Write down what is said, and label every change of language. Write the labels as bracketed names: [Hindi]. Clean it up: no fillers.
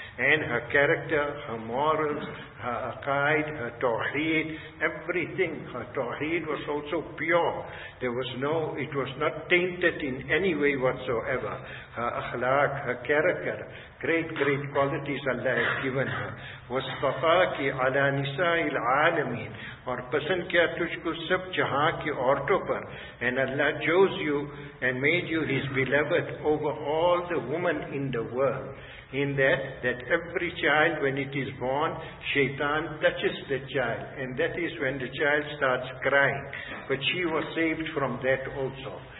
[English] And her character, her morals, her aqaid, her tawheed, everything, her tawheed was also pure. It was not tainted in any way whatsoever. Her akhlaq, her character, great, great qualities Allah has given her. [Arabic] وَاسْتَفَاكِ عَلَى نِسَاءِ الْعَالَمِينَ [Urdu] اور پسند کیا تجھ کو سب جہاں کی عورتوں پر. [English] And Allah chose you and made you His beloved over all the women in the world. In that every child when it is born, shaitan touches the child. And that is when the child starts crying. But she was saved from that also.